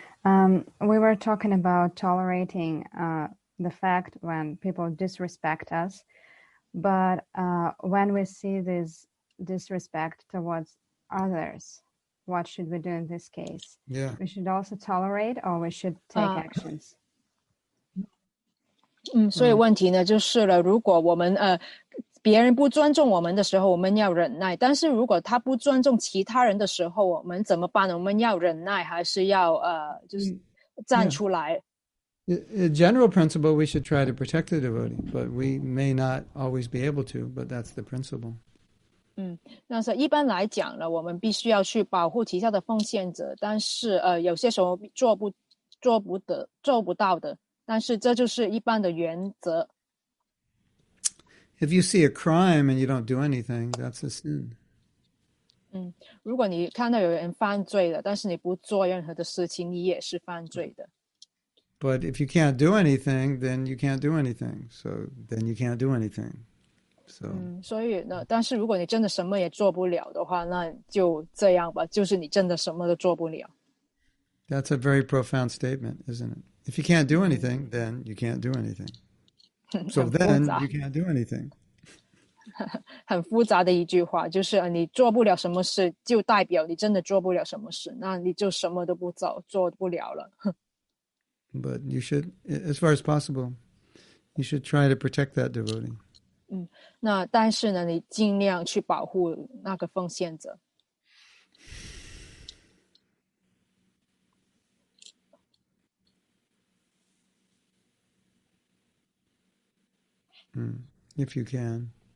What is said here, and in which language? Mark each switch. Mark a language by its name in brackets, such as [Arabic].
[English] We were talking about tolerating the fact when people disrespect us. But when we see this disrespect towards others, what should we do in this case? Yeah. We should also tolerate or we should take actions? [Chinese] 所以问题呢就是了，如果我们别人不尊重我们的时候我们要忍耐，但是如果他不尊重其他人的时候我们怎么办呢？我们要忍耐还是要就是站出来？ [English] Yeah. General principle, we should try to protect the devotee, but we may not always be able to, but that's the principle. [Chinese] 嗯，但是一般来讲呢，我们必须要去保护旗下的奉献者，但是有些时候做不到的。但是这就是一般的原则。 [English] If you see a crime and you don't do anything, that's a sin. [Chinese] 嗯，如果你看到有人犯罪了，但是你不做任何的事情，你也是犯罪的。 [English] But if you can't do anything, then you can't do anything. So then you can't do anything. So. [Chinese] 嗯，所以呢，但是如果你真的什么也做不了的话，那就这样吧，就是你真的什么都做不了。 [English] That's a very profound statement, isn't it? If you can't do anything, then you can't do anything. So then you can't do anything. [Chinese] 很复杂的一句话，就是你做不了什么事，就代表你真的做不了什么事，那你就什么都不做，做不了了。 [English] But you should, as far as possible, you should try to protect that devotee. [Chinese] 嗯，那但是呢，你尽量去保护那个奉献者。 [English] If you can.